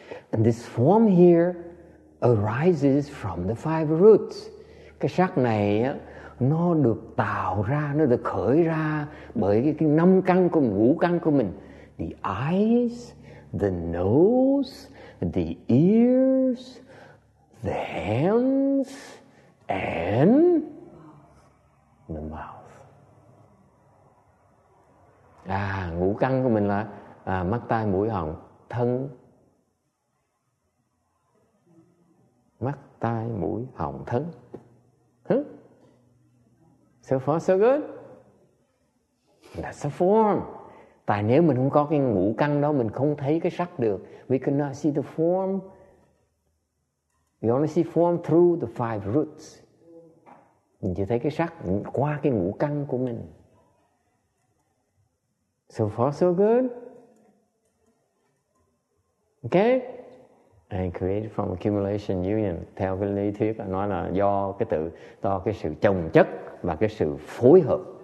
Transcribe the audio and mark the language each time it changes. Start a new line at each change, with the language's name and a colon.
English: And this form here arises from the five roots.
Vietnamese: Cái sắc này á, nó được tạo ra, nó được khởi ra bởi cái năm căn của ngũ căn của mình.
English: The eyes, the nose, the ears, the hands, and the mouth.
Vietnamese: À, ngũ căn của mình là à, mắt, tai, mũi, họng, thân. Mắt, tai, mũi, họng, thân. Huh?
English: So far so good. That's the form.
Vietnamese: Tại nếu mình không có cái ngũ căn đó, mình không thấy cái sắc được.
English: We cannot see the form. We only see form through the five roots.
Vietnamese: Mình chỉ thấy cái sắc qua cái ngũ căn của mình.
English: So far so good. Okay. And created from accumulation union.
Vietnamese: Theo cái lý thuyết nó là do cái tự, do cái sự chồng chất và cái sự phối hợp.